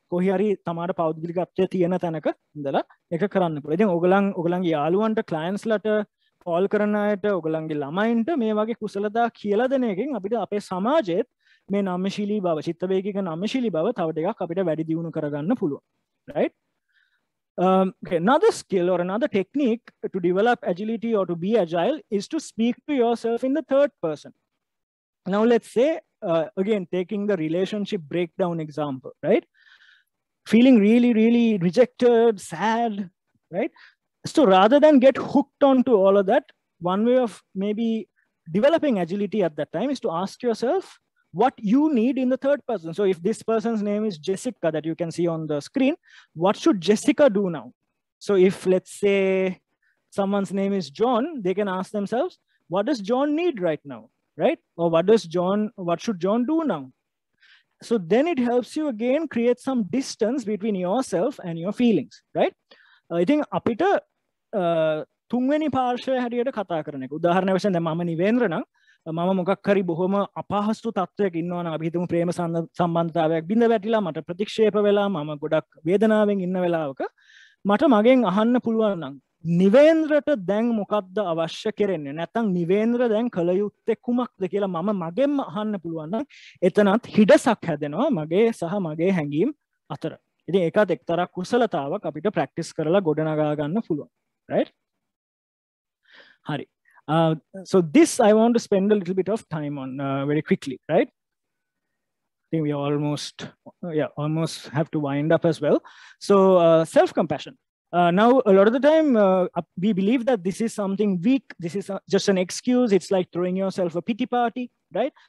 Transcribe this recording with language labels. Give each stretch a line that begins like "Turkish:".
Sinhala: කොහේ හරි තමාට පෞද්ගලිකත්වය තියෙන තැනක ඉඳලා ඒක කරන්න පුළුවන්. ඉතින් ඕගලන් ඕගලන්ගේ යාළුවන්ට, ක්ලයන්ට්ස් ලට, කෝල් කරන අයට, ඕගලන්ගේ ළමයින්ට මේ වගේ කුසලතා කියලා දෙන එකෙන් අපිට අපේ සමාජයේ මේ නම්ශීලි බව, චිත්තවේගික නම්ශීලි බව තව ටිකක් අපිට වැඩි දියුණු කරගන්න පුළුවන්, right?
English: Another skill or another technique to develop agility or to be agile is to speak to yourself in the third person. Now let's say again taking the relationship breakdown example, right? Feeling really really rejected, sad, right? So rather than get hooked onto all of that, one way of maybe developing agility at that time is to ask yourself what you need in the third person. So if this person's name is Jessica that you can see on the screen, what should Jessica do now? So if let's say someone's name is John, they can ask themselves, what does John need right now, right? Or what does John, what should John do now? So then it helps you again create some distance between yourself and your feelings, right? I think
Sinhala: apita thunweni parshaya hariyata katha karana ek udaharana wasen dan mama Nivendra nan මම මොකක් හරි බොහොම අපහසු තත්ත්වයක ඉන්නවා නම්, අපි හිතමු ප්‍රේම සම්බන්ධතාවයක් බිඳ වැටිලා මට ප්‍රතික්ෂේප වෙලා මම ගොඩක් වේදනාවෙන් ඉන්න වෙලාවක, මට මගෙන් අහන්න පුළුවන් නම් නිවේන්ද්‍රට දැන් මොකක්ද අවශ්‍ය කරන්නේ, නැත්නම් නිවේන්ද්‍ර දැන් කල යුත්තේ කුමක්ද කියලා මම මගෙන්ම අහන්න පුළුවන් නම් එතනත් හිඩසක් හැදෙනවා මගේ සහ මගේ හැඟීම් අතර. ඉතින් ඒකත් එක්තරා කුසලතාවක් අපිට ප්‍රැක්ටිස් කරලා ගොඩනගා ගන්න පුළුවන්, right? හරි.
English: So this I want to spend a little bit of time on very quickly, right? I think we are almost, almost have to wind up as well. So self-compassion. Now, a lot of the time, we believe that this is something weak. This is just an excuse. It's like throwing yourself a pity party, right?